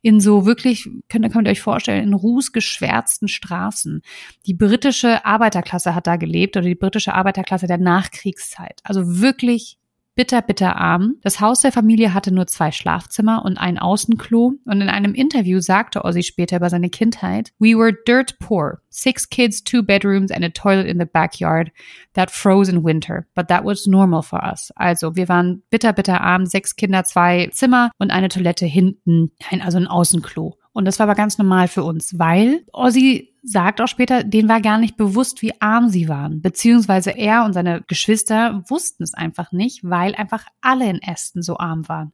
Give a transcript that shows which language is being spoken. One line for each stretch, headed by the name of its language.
German: In so wirklich, könnt ihr euch vorstellen, in rußgeschwärzten Straßen. Die britische Arbeiterklasse hat da gelebt oder die britische Arbeiterklasse der Nachkriegszeit. Also wirklich bitter, bitter arm. Das Haus der Familie hatte nur 2 Schlafzimmer und ein Außenklo. Und in einem Interview sagte Ozzy später über seine Kindheit,
English: "We were dirt poor. 6 kids, 2 bedrooms and a toilet in the backyard that froze in winter. But that was normal for us."
German: Also wir waren bitter, bitter arm. 6 Kinder, 2 Zimmer und eine Toilette hinten, also ein Außenklo. Und das war aber ganz normal für uns, weil Ozzy sagt auch später, denen war gar nicht bewusst, wie arm sie waren. Beziehungsweise er und seine Geschwister wussten es einfach nicht, weil einfach alle in Aston so arm waren.